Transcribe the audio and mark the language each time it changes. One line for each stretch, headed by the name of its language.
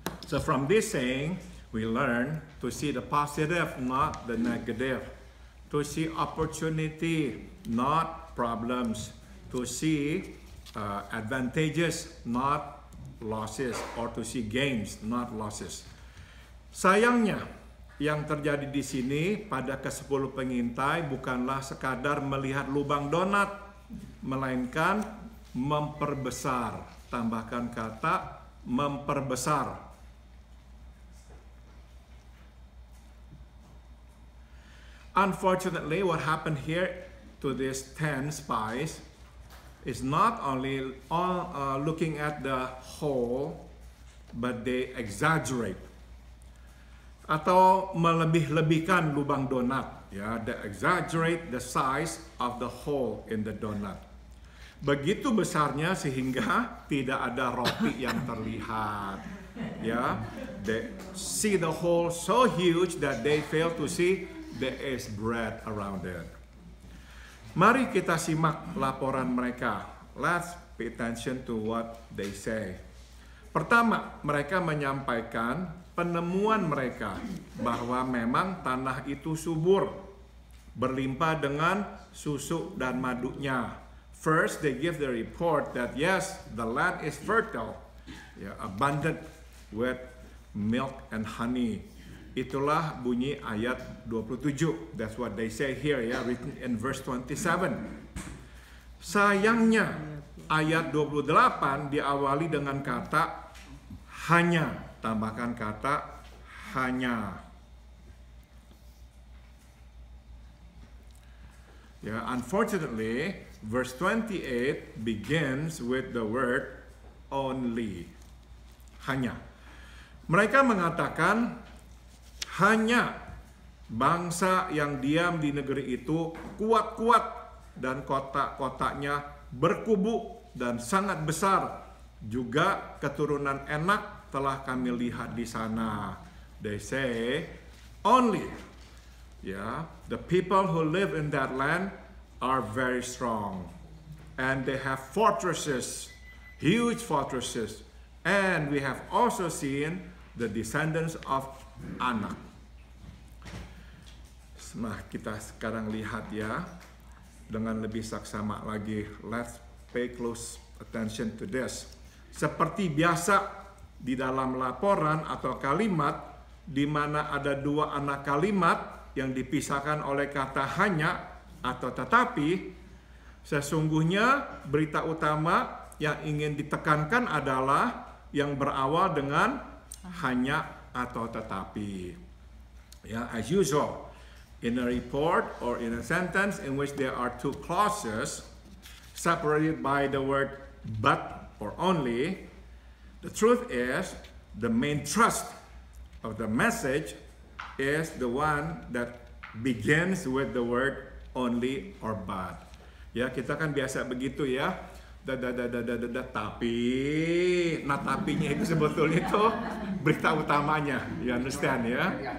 English: So from this saying, we learn to see the positive, not the negative. To see opportunity, not problems to see advantages, not losses, or to see gains, not losses.
Indonesian: Sayangnya, yang terjadi di sini pada ke-10 pengintai bukanlah sekadar melihat lubang donat, melainkan memperbesar. Tambahkan kata memperbesar.
English: Unfortunately, what happened here to these 10 spies is not only looking at the hole, but they exaggerate.
Indonesian: Atau melebih-lebihkan lubang donat.
English: Ya, they exaggerate the size of the hole in the donut.
Indonesian: Begitu besarnya sehingga tidak ada roti yang terlihat.
English: Ya, they see the hole so huge that they fail to see there is bread around it.
Indonesian: Mari kita simak laporan mereka.
English: Let's pay attention to what they say.
Indonesian: Pertama, mereka menyampaikan penemuan mereka bahwa memang tanah itu subur, berlimpah dengan susu dan madunya.
English: First, they give the report that yes, the land is fertile, yeah, abundant with milk and honey.
Indonesian: Itulah bunyi ayat 27.
English: That's what they say here, yeah, written in verse 27.
Indonesian: Sayangnya, ayat 28 diawali dengan kata hanya. Tambahkan kata hanya.
English: Yeah, unfortunately, verse 28 begins with the word only.
Indonesian: Hanya. Mereka mengatakan hanya bangsa yang diam di negeri itu kuat-kuat dan kota-kotanya berkubu dan sangat besar. Juga keturunan enak telah kami lihat di sana.
English: They say only. Yeah, the people who live in that land are very strong. And they have fortresses, huge fortresses. And we have also seen the descendants of Anak.
Indonesian: Nah, kita sekarang lihat ya dengan lebih saksama lagi.
English: Let's pay close attention to this.
Indonesian: Seperti biasa di dalam laporan atau kalimat di mana ada dua anak kalimat yang dipisahkan oleh kata hanya atau tetapi, sesungguhnya berita utama yang ingin ditekankan adalah yang berawal dengan hanya atau tetapi.
English: Ya, as usual, in a report or in a sentence in which there are two clauses separated by the word but or only, the truth is the main thrust of the message is the one that begins with the word only or but.
Indonesian: Ya, kita kan biasa begitu ya. Tapi, nah tapinya itu sebetulnya itu berita utamanya.
English: You understand
Indonesian: ya?